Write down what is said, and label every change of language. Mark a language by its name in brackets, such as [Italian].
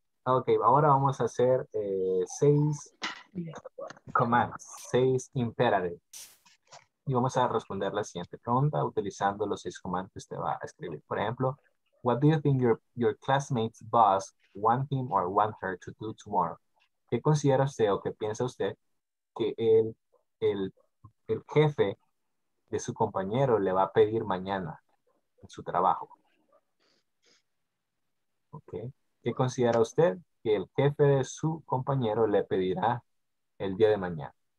[Spanish] Okay, ahora vamos a hacer seis commands, seis imperatives. Y vamos a responder la siguiente pregunta utilizando los seis commands que usted va a escribir. Por ejemplo, [English] what do you think your classmate's boss want him or want her to do tomorrow? [Spanish] ¿Qué considera usted o qué piensa usted que el jefe de su compañero le va a pedir mañana en su trabajo? Okay. ¿Qué considera usted que el jefe de su compañero le pedirá el día de mañana?